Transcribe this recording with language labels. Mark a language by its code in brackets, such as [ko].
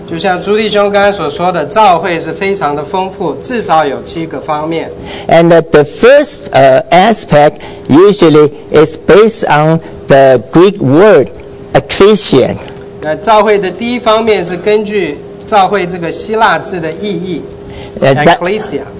[zh] 就像朱弟兄刚才所说的，召会是非常的丰富，至少有七个方面。 [en] And the first aspect usually is based on the Greek word ecclesia. [zh] 那召会的第一方面是根据召会这个希腊字的意义 ，ecclesia.